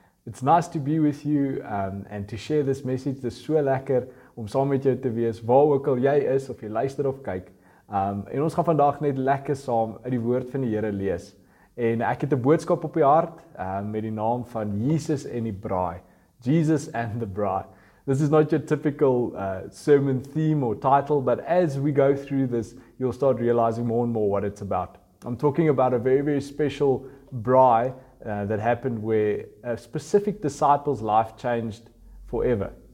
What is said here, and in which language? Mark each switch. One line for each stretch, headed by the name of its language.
English: It's nice to be with you and to share this message.
Afrikaans: Dis so lekker om saam met jou te wees, waar ook al jy is of jy luister of kyk. En ons gaan vandag net lekker saam uit die woord van die Here lees. En ek het 'n boodskap op die hart met die naam van Jesus en die braai.
English: Jesus and the braai. This is not your typical sermon theme or title, but as we go through this, you'll start realizing more and more what it's about. I'm talking about a very, very special braai that happened where a specific disciple's life changed forever.